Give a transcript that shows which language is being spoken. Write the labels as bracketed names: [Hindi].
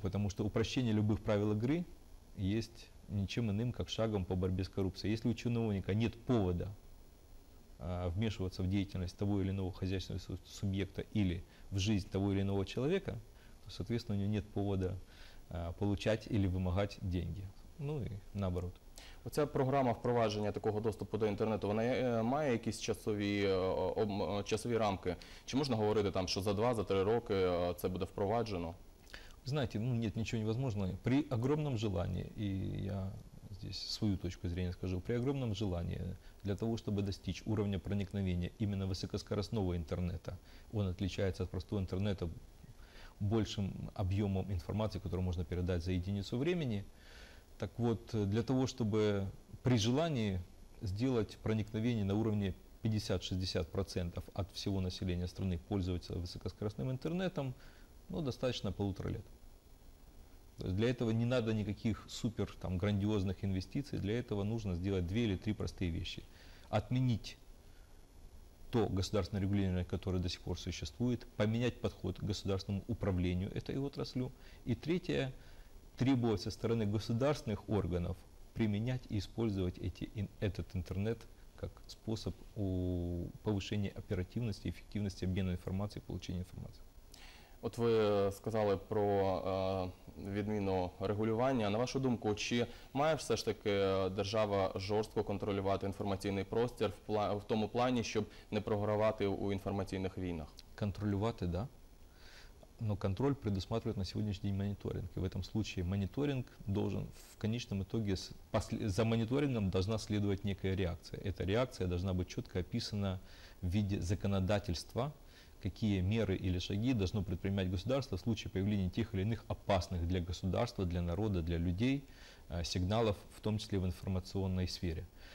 [Russian] Потому что упрощение любых правил игры есть ничем иным, как шагом по борьбе с коррупцией. Если у чиновника нет повода вмешиваться в деятельность того или иного хозяйственного субъекта или в жизнь того или иного человека, то, соответственно, у него нет повода получать или вымогать деньги. Ну и наоборот. [Ukrainian] Оця програма впровадження такого доступу до інтернету, вона має якісь часові рамки? Чи можна говорити, там, що за 2-3 роки це буде впроваджено? Знаєте, ну, ні, нічого [Russian] невозможно. При огромном желании, і я здесь свою точку зрения скажу, при огромном желании для того, чтобы достичь уровня проникновения именно высокоскоростного интернета, он отличается от простого интернета большим объемом информации, которую можно передать за единицу времени. Так вот, для того, чтобы при желании сделать проникновение на уровне 50-60% от всего населения страны пользоваться высокоскоростным интернетом, ну, достаточно полутора лет. То есть для этого не надо никаких супер там грандиозных инвестиций, для этого нужно сделать две или три простые вещи. Отменить то государственное регулирование, которое до сих пор существует, поменять подход к государственному управлению этой отраслью. И третье, требовать со стороны государственных органов применять и использовать этот интернет как способ повышения оперативности, эффективности обмена информацией, получения информации. [Ukrainian] От ви сказали про відміну регулювання. На вашу думку, чи має все ж таки держава жорстко контролювати інформаційний простір в тому плані, щоб не програвати у інформаційних війнах? Контролювати, да. [Russian] Но контроль предусматривает на сегодняшний день мониторинг. И в этом случае мониторинг должен в конечном итоге, за мониторингом должна следовать некая реакция. Эта реакция должна быть четко описана в виде законодательства, какие меры или шаги должно предпринимать государство в случае появления тех или иных опасных для государства, для народа, для людей сигналов, в том числе в информационной сфере.